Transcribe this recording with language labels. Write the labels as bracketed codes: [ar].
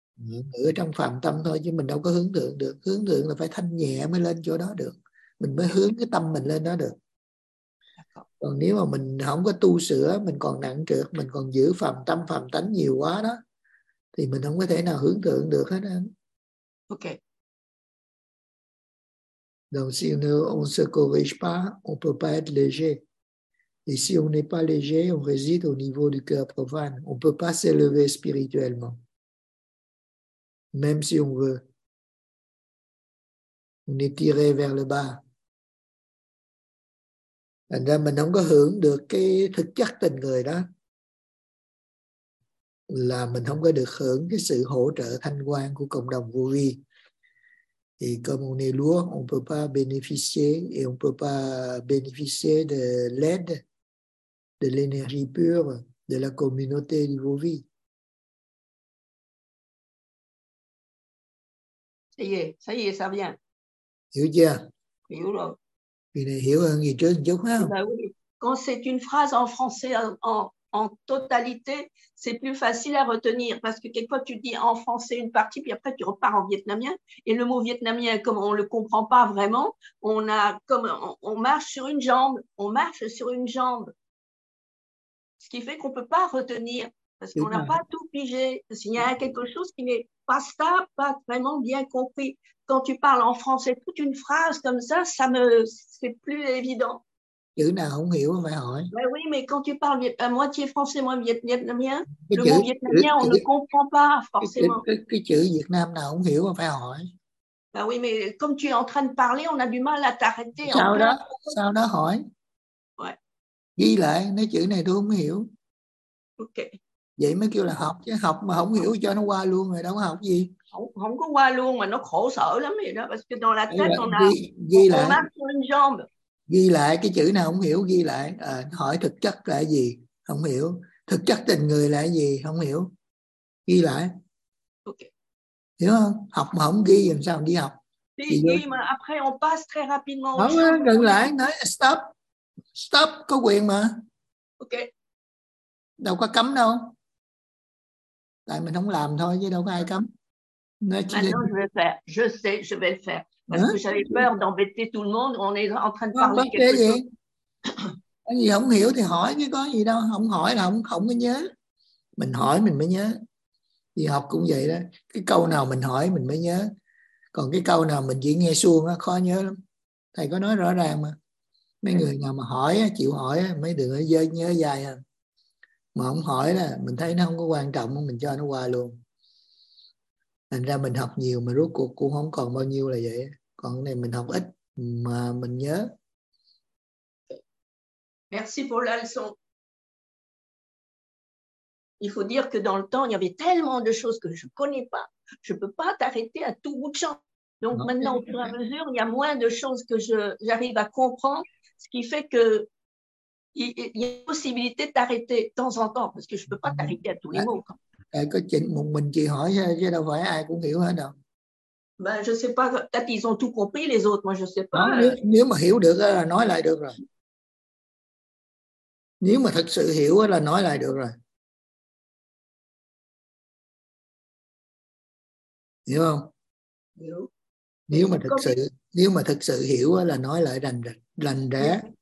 [vi] ngự ở trong phàm tâm thôi, chứ mình đâu có hướng thượng được. Hướng thượng là phải thanh nhẹ mới lên chỗ đó được, mình mới hướng cái tâm mình lên đó được. Còn nếu mà mình không có tu sửa, mình còn nặng trược, mình còn giữ phàm tâm, phàm tánh nhiều quá đó, thì mình không có thể nào hướng thượng được hết anh. Ok. [fr] Donc si on se corrige pas, on peut pas être léger. Et si on n'est pas léger, on réside au niveau du cœur profane. On peut pas s'élever spirituellement. Même si on veut. On est tiré vers le bas. [vi] Thành ra mình không có hưởng được cái thực chất tình người đó, là mình không có được hưởng cái sự hỗ trợ thanh quan của cộng đồng vô vi. Thì [fr] comme on est lourd, on peut pas bénéficier et on peut pas bénéficier de l'aide, de l'énergie pure, de la communauté du vô vi. Ça y est, ça vient. [vi] Hiểu chưa? Hiểu rồi. Hiểu hơn gì trước chút ha. [fr] Quand c'est une phrase en français en totalité, c'est plus facile à retenir parce que quelquefois tu dis en français une partie puis après tu repars en vietnamien et le mot vietnamien comme on le comprend pas vraiment, on marche sur une jambe. Ce qui fait qu'on peut pas retenir parce qu'on n'a pas tout pigé, s'il y a quelque chose qui n'est pas stable, pas vraiment bien compris. Quand tu parles en français toute une phrase comme ça, ça me c'est plus évident. [vi] Chữ nào không hiểu phải hỏi. [fr] Mais oui, mais quand tu parles à moitié français, moitié vietnamien, le chữ, mot vietnamien, chữ, on chữ, ne comprend pas forcément. [vi] Cái chữ Việt Nam nào không hiểu phải hỏi. [fr] Bah oui, mais comme tu es en train de parler, on a du mal à t'arrêter. [vi] Sao đó hỏi. [fr] Ouais. [vi] Ghi lại, nói chữ này tôi không hiểu. Ok. Vậy mới kêu là học, chứ học mà không hiểu cho nó qua luôn rồi đâu có học gì. Không có qua luôn mà nó khổ sở lắm vậy đó, [fr] parce que dans la tête on a [vi] ghi lại. [fr] On marche sur une jambe. [vi] ghi lại cái chữ nào không hiểu ghi lại, à, hỏi thực chất là gì không hiểu, thực chất tình người là gì không hiểu, ghi lại. Okay. Hiểu không? Học mà không ghi làm sao đi học? Ghi mà [fr] après on passe très rapidement. [vi] Nói stop, stop có quyền mà. Ok. Đâu có cấm đâu. Tại mình không làm thôi chứ đâu có ai cấm. [fr] Maintenant je vais faire. Je sais, je vais le faire. Parce que j'avais peur d'embêter tout le monde, on est en train de parler quelque chose. [vi] Có gì không hiểu thì hỏi chứ có gì đâu, không hỏi là không có nhớ. Mình hỏi mình mới nhớ. Thì học cũng vậy đó, cái câu nào mình hỏi mình mới nhớ. Còn cái câu nào mình chỉ nghe suông khó nhớ lắm. Thầy có nói rõ ràng mà. Mấy người nào mà hỏi, chịu hỏi mấy đứa dơ nhớ dài hơn. Mà không hỏi là mình thấy nó không có quan trọng, mình cho nó qua luôn. Thành ra mình học nhiều mà rốt cuộc cũng không còn bao nhiêu là vậy. Còn cái này mình học ít mà mình nhớ. [fr] Merci pour la leçon. Il faut dire que dans le temps, il y avait tellement de choses que je ne connais pas. Je ne peux pas t'arrêter à tout bout de champ. Donc non. Maintenant, au fur et à mesure, il y a moins de choses que j'arrive à comprendre. Ce qui fait que il y a une possibilité de t'arrêter de temps en temps. Parce que je ne peux pas t'arrêter à tous les mots. [vi] Có chuyện một mình chị hỏi chứ đâu phải ai cũng hiểu hết đâu. [fr] Ben, je sais pas, peut-être ils ont tout compris les autres, moi je sais pas. [vi] Nếu mà hiểu được là nói lại được rồi. Nếu mà thật sự hiểu là nói lại được rồi. Hiểu không? Nếu mà thật sự, nếu mà thật sự hiểu là nói lại rành rẽ.